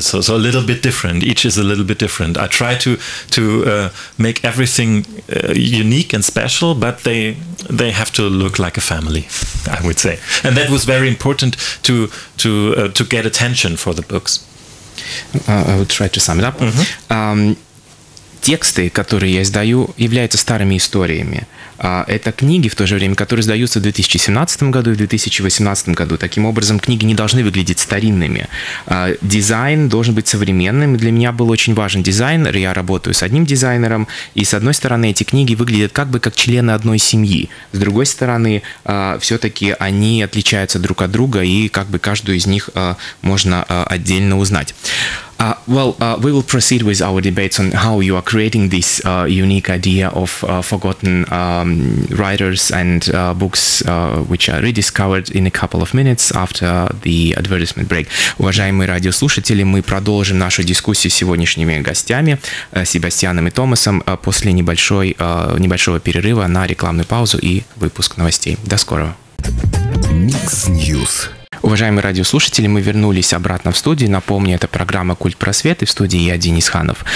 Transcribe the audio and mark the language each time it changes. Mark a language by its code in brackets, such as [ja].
[en] So a little bit different. Each is a little bit different. I try to make everything unique and special, but they have to look like a family, I would say. And that was very important to get attention for the books. I would try to sum it up. Mm-hmm. [ru] Тексты, которые я издаю, являются старыми историями. Это книги, в то же время, которые издаются в 2017 году и в 2018 году. Таким образом, книги не должны выглядеть старинными. Дизайн должен быть современным. Для меня был очень важен дизайнер. Я работаю с одним дизайнером. И, с одной стороны, эти книги выглядят как бы как члены одной семьи. С другой стороны, все-таки они отличаются друг от друга, и как бы каждую из них можно отдельно узнать. [en] We will proceed with our debates on how you are creating this unique idea of forgotten writers and books which are rediscovered in a couple of minutes after the advertisement break. [ru] Уважаемые радиослушатели, мы продолжим нашу дискуссию с сегодняшними гостями, Себастьяном и Томасом, после небольшого перерыва на рекламную паузу и выпуск новостей. До скорого. Микс Ньюс. Уважаемые радиослушатели, мы вернулись обратно в студию. Напомню, это программа «Культ просвет», и в студии я, Денис Ханов.